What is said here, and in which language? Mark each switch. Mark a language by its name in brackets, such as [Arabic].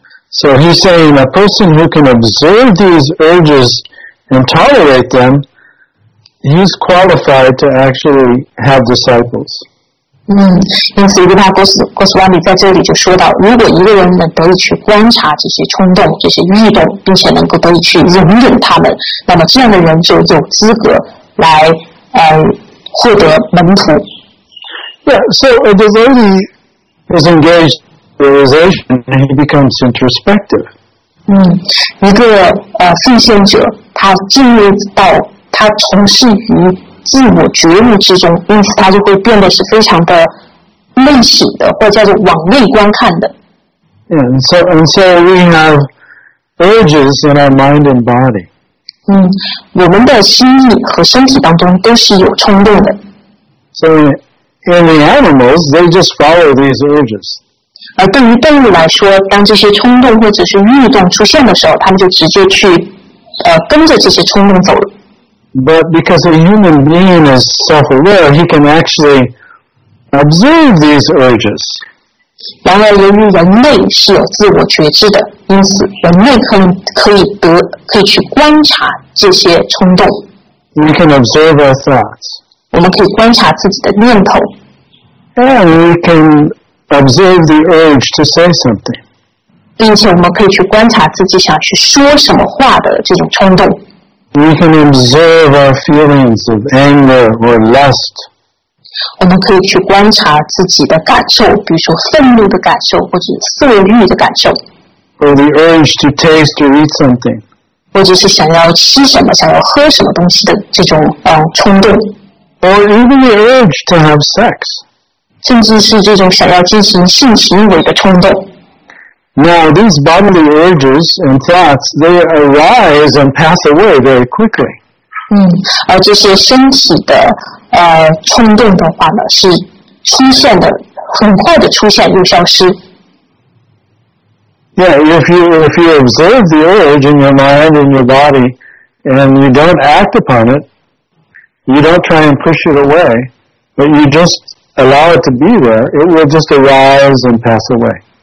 [English] So he's saying a person who can observe these urges and tolerate them, he's qualified to actually have disciples. [Chinese] 因此，维帕戈斯瓦米在这里就说到，如果一个人能得以去观察这些冲动、这些欲动，并且能够得以去容忍他们，那么这样的人就有资格来获得门徒。 [English] Yeah, so a devotee is engaged in realization and he becomes introspective. [Chinese] 一个奉献者他进入到他从事于自我觉悟之中，因此他就会变得是非常的内省的，或者叫做往内观看的。 [English] And so we have urges in our mind and body. [Chinese] 我们的心意和身体当中都是有冲动的。 [English] So in the animals, they just follow these urges. [Chinese] 而对于动物来说，当这些冲动或者是欲动出现的时候，他们就直接去跟着这些冲动走了。 [English] But because a human being is self-aware, he can actually observe these urges. [Chinese] 然而，由于人类是有自我觉知的，因此人类可以去观察这些冲动。 [English] We can observe our thoughts. [Chinese] 我们可以观察自己的念头。 [English] And we can observe the urge to say something. [Chinese] 并且我们可以去观察自己想去说什么话的这种冲动。 [English] We can observe our feelings of anger or lust. [Chinese] 我们可以去观察自己的感受，比如说愤怒的感受，或者色欲的感受。 [English] Or the urge to taste or eat something. [Chinese] 或者是想要吃什么，想要喝什么东西的这种冲动。 [English] Or even the urge to have sex. [Chinese] 甚至是这种想要进行性行为的冲动。 [English] Now, these bodily urges and thoughts, they arise and pass away very quickly. [Chinese] 而这些身体的冲动的话呢，是出现的，很快的出现又消失。 [English] Yeah, if you observe the urge in your mind and your body, and you don't act upon it, you don't try and push it away, but you just allow it to be there, it will just arise and pass away.